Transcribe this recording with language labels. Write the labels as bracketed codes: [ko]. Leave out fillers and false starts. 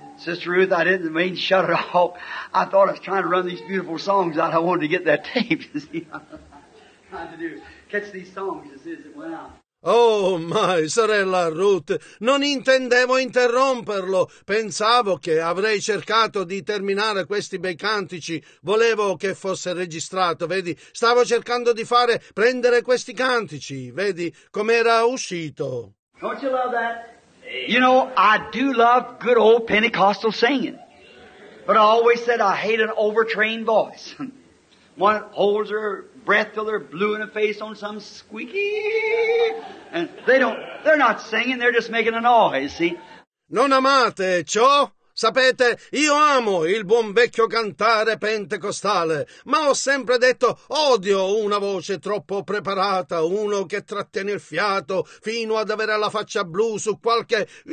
[en] Sister Ruth, I didn't mean to shut it off. I thought I was trying to run these beautiful songs out. I wanted to get that tape. You see, I'm trying to do catch these songs as it went out. [it] Oh, my sorella Ruth, non intendevo interromperlo. Pensavo che avrei cercato di terminare questi bei cantici. Volevo che fosse registrato, vedi? Stavo cercando di fare prendere questi cantici, vedi? Com'era uscito. [en] Don't you love that? You know, I do love good old Pentecostal singing. But I always said I hate an overtrained voice. One holds her breath till they're blue in the face on some squeaky. And they're not singing, they're just making a noise, see? [it] Non amate ciò? Sapete, io amo il buon vecchio cantare pentecostale, ma ho sempre detto odio una voce troppo preparata, uno che trattiene il fiato fino ad avere la faccia blu su qualche...